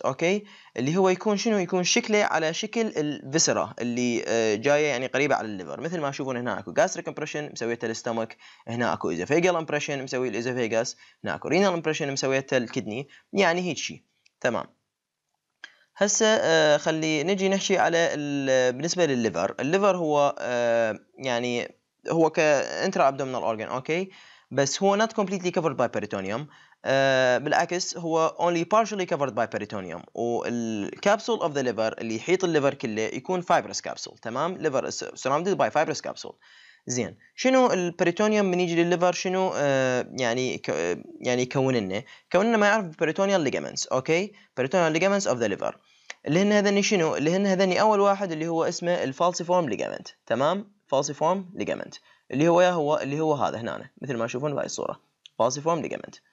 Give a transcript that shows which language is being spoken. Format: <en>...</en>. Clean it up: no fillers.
<ar>اوكي، اللي هو يكون شنو؟ يكون شكله على شكل الفيسرا اللي جايه يعني قريبه على الليفر، مثل ما تشوفون هنا اكو جاستريك امبريشن مسويته الاستومك، هنا اكو ايزوفيجال امبريشن مسوي الايزوفيجاس، هنا اكو رينال امبريشن مسويته الكدني، يعني هيك شيء. تمام، هسه خلي نجي نحكي على بالنسبه للليفر. الليفر هو يعني هو كانترا ابدومينال اورجن. اوكي، بس هو</ar> <en>not completely covered by peritoneum،</en> <ar>بالعكس هو</ar> <en>only partially covered by peritoneum،</en> <ar>والكابسول of the liver اللي يحيط الليفر كله يكون fibrous capsule.</ar> <en>تمام، liver is surrounded by fibrous capsule.</en> <ar>زين، شنو البريتونيوم من يجي للليفر شنو يعني يكون لنا؟ كوننا ما يعرف peritoneal ligaments. اوكي، peritoneal ligaments of the liver اللي هن هذني شنو؟ اللي هن هذني اول واحد اللي هو اسمه الفالسيفورم ligament. تمام، فالسيفورم ligament اللي هو يا هو اللي هو هذا هنا مثل ما تشوفون بهاي الصوره فالسيفورم ليجمنت.</ar>